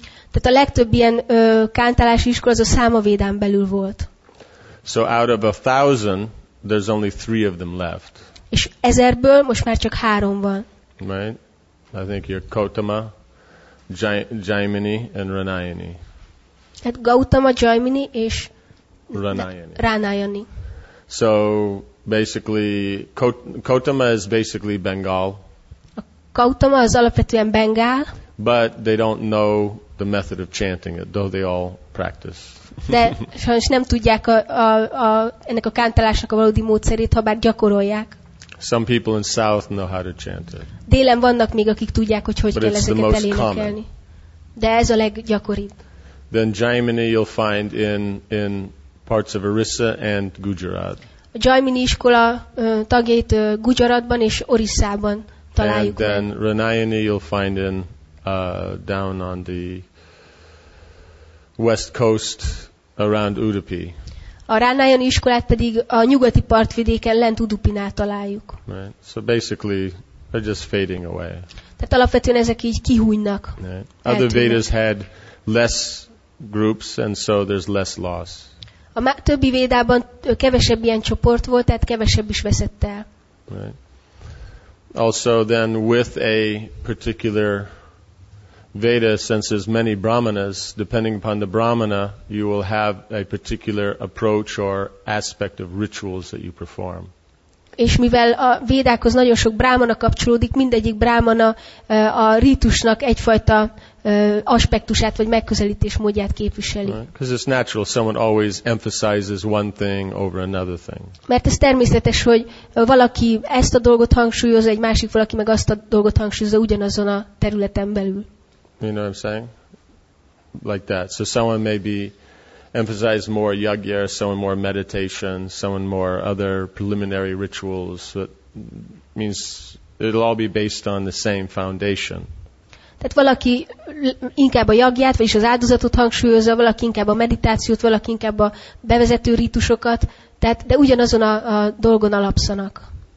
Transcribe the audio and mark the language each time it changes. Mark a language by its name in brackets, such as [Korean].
[Hungarian] Tehát a legtöbb ilyen kántálási iskola az a számavédán belül volt. [English] So out of 1,000, there's only 3 of them left. [Hungarian] És ezerből most már csak 3 van. [English] Right? I think you're Gautama, Jaimini and Ranayani. [Hungarian] Hát Gautama, Jaimini és Ranayani. [English] So basically, Gautama is basically Bengal. [Hungarian] Gautama az alapvetően Bengál. [English] But they don't know the method of chanting it, though they all practice. [Hungarian] De sajnos nem tudják ennek a kántálásnak a valódi módszerét, ha bár gyakorolják. [English] Some people in South know how to chant it. [Hungarian] Délen vannak még, akik tudják, hogy kell ezeket elénekelni. De ez a leggyakoribb. [English] Then Jaimini you'll find in parts of Orissa and Gujarat. [Hungarian] A Jaimini iskola tagjait Gujaratban és Orissában találjuk. [English] And then Ranayani you'll find in down on the west coast around Udupi. [Hungarian] A Ranayani iskolát pedig a nyugati partvidéken lent Udupinál találjuk. [English] Right. So basically they're just fading away. [Hungarian] Tehát alapvetően ezek így kihújnak. [English] Right. Other Vedas had less groups and so there's less loss. [Hungarian] A többi védában kevesebb ilyen csoport volt, tehát kevesebb is veszett el. [English] Right. Also then with a particular Veda, since there's many brahmanas, depending upon the brahmana, you will have a particular approach or aspect of rituals that you perform. [Hungarian] És mivel a védákhoz nagyon sok brámana kapcsolódik, mindegyik brámana a rítusnak egyfajta aspektusát vagy megközelítés módját képviseli. [English] Because it's natural, someone always emphasizes one thing over another thing. [Hungarian] Mert ez természetes, hogy valaki ezt a dolgot hangsúlyozza, egy másik valaki meg azt a dolgot hangsúlyozza ugyanazon a területen belül. [English] You know what I'm saying? Like that. So someone may be emphasize more yajna, someone more meditation, someone more other preliminary rituals. That means it'll all be based on the same foundation. [Hungarian] Tehát valaki inkább a jagját, vagyis az áldozatot hangsúlyozza, valaki inkább a meditációt, valaki inkább a bevezető rítusokat, tehát de ugyanazon a dolgon alapszanak.